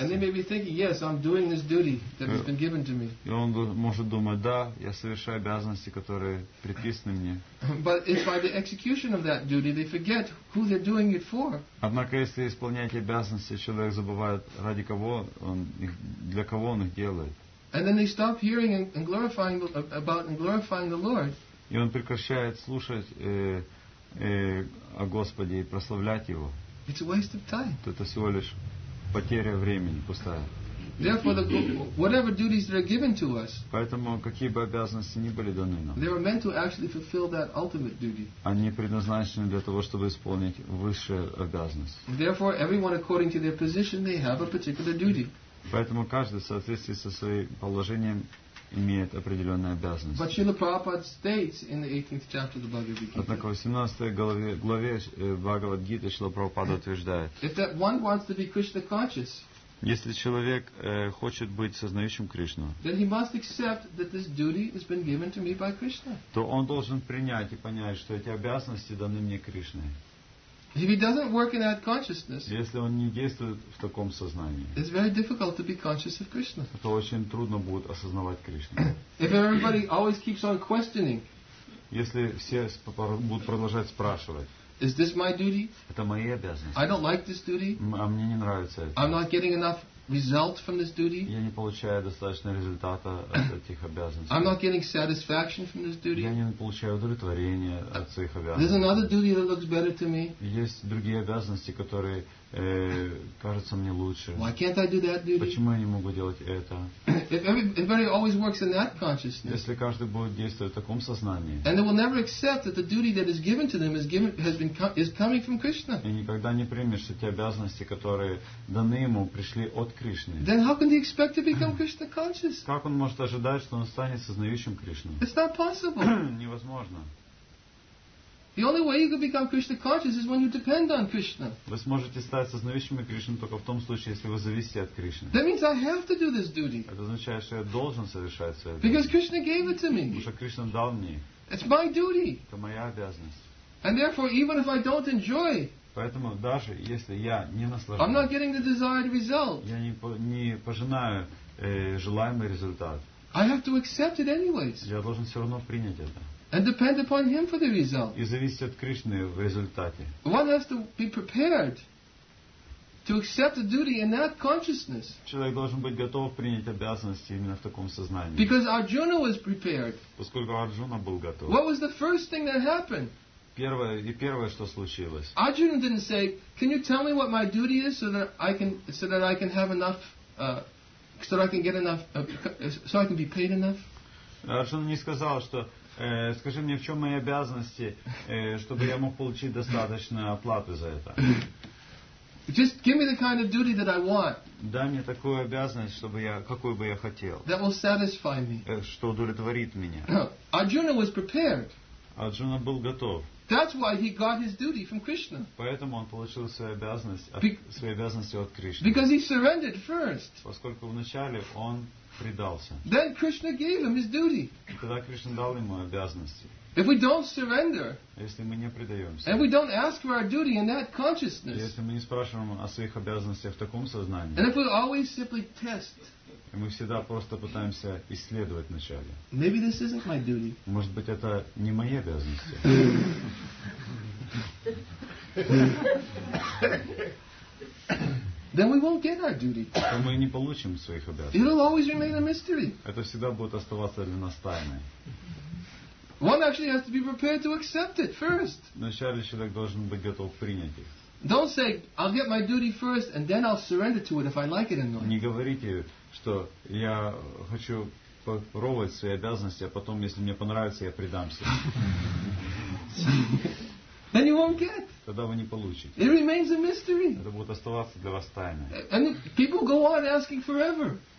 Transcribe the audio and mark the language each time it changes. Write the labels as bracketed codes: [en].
[en] And they may be thinking, yes, I'm doing this duty that has been given to me. [ru] И он может думать, да, я совершаю обязанности, которые предписаны мне. [en] But if by the execution of that duty they forget who they're doing it for. [ru] Однако если исполнять обязанности, человек забывает ради кого он, для кого он их делает. [en] And then they stop hearing and glorifying about and glorifying the Lord. [ru] И он прекращает слушать о Господе и прославлять Его. [en] It's a waste of time. [ru] Это всего лишь потеря времени, пустая. [en] Therefore, whatever duties that are given to us, [ru] поэтому какие бы обязанности ни были даны нам, [en] they were meant to actually fulfill that ultimate duty. [ru] Они предназначены для того, чтобы исполнить высшую обязанность. [en] Therefore, everyone according to their position, they have a particular duty. [ru] Поэтому каждый в соответствии со своим положением имеет определенные обязанности. [en] But Srila Prabhupada states in the 18th chapter of the Bhagavad Gita. [ru] Однако в 18 главе Бхагавад Гиты Шрила Прабхупада утверждает. [en] If that one wants to be Krishna conscious. [ru] Если человек хочет быть сознающим Кришну, [en] then he must accept that this duty has been given to me by Krishna. [ru] То он должен принять и понять, что эти обязанности даны мне Кришной. [en] If he doesn't work in that consciousness, [ru] если он не действует в таком сознании, [en] it's very difficult to be conscious of Krishna. [ru] Это очень трудно будет осознавать Кришну. [en] If everybody always keeps on questioning, [ru] если все будут продолжать спрашивать, [en] is this my duty? [ru] Это мои обязанности. [en] I don't like this duty. [ru] А мне не нравится это. [en] I'm not getting enough result from this duty. [ru] Я не получаю достаточно результата от этих обязанностей. [en] I'm not getting satisfaction from this duty. [ru] Я не получаю удовлетворения от своих обязанностей. [en] There's another duty that looks better to me. [ru] Есть другие обязанности, которые кажутся мне лучше. [en] Why can't I do that duty? [ru] Почему я не могу делать это? [en] If everybody always works in that consciousness. [ru] Если каждый будет действовать в таком сознании. [en] And they will never accept that the duty that is given to them is coming from Krishna. [ru] И никогда не примешь, что те обязанности, которые даны ему, пришли от Кришны. [en] Then how can they expect to become Krishna conscious? [ru] Как он может ожидать, что он станет сознающим Кришну? [en] It's not possible. [ru] Невозможно. [en] The only way you can become Krishna conscious is when you depend on Krishna. [ru] Вы сможете стать сознающими Кришну только в том случае, если вы зависите от Кришны. [en] That means I have to do this duty. [ru] Это означает, что я должен совершать свою обязанность. [en] Because Krishna gave it to me. [ru] Потому что Кришна дал мне. [en] It's my duty. [ru] Это моя обязанность. [en] And therefore, even if I don't enjoy. [ru] Поэтому даже если я не наслаждаюсь. [en] I'm not getting the desired result. [ru] Я не пожинаю желаемый результат. [en] I have to accept it anyways. [ru] Я должен все равно принять это. [en] And depend upon him for the result. [ru] И зависит от Кришны в результате. [en] One has to be prepared to accept the duty in that consciousness. [ru] Человек должен быть готов принять обязанности именно в таком сознании. [en] Because Arjuna was prepared. [ru] Поскольку Арджуна был готов. [en] What was the first thing that happened? [ru] Первое, что случилось. [en] Arjuna didn't say, "Can you tell me what my duty is so that I can be paid enough?" [ru] Арджуна не сказал, что скажи мне, в чем мои обязанности, чтобы я мог получить достаточно оплаты за это. [en] Just give me the kind of duty that I want. [ru] Дай мне такую обязанность, чтобы я, какую бы я хотел. [en] That will satisfy me. [ru] Что удовлетворит меня. [en] Arjuna was prepared. [ru] Arjuna был готов. [en] That's why he got his duty from Krishna. [ru] Поэтому он получил свои обязанности от Кришны. [en] Because he surrendered first. [ru] Поскольку вначале он предался. [en] Then Krishna gave him his duty. [ru] И тогда Кришна дал ему обязанности. [en] If we don't surrender, [ru] если мы не предаемся, [en] and we don't ask for our duty in that consciousness, [ru] если мы не спрашиваем о своих обязанностях в таком сознании, [en] and if we always simply test, [ru] И мы всегда просто пытаемся исследовать вначале. [en] Maybe this isn't my duty. [ru] Может быть, это не мои обязанности. [en] Then we won't get our duty. [ru] То мы не получим своих обязанностей. [en] It'll always remain a mystery. [ru] Это всегда будет оставаться для нас тайной. [en] One actually has to be prepared to accept it first. [ru] Вначале человек должен быть готов принять их. [en] Don't say, I'll get my duty first and then I'll surrender to it if I like it or not. [ru] Не говорите, что я хочу попробовать свои обязанности, а потом, если мне понравится, я предамся. [en] Then you won't get. [ru] Тогда вы не получите. [en] It remains a mystery. [ru] Это будет оставаться для вас тайной. [en] And people go on asking forever.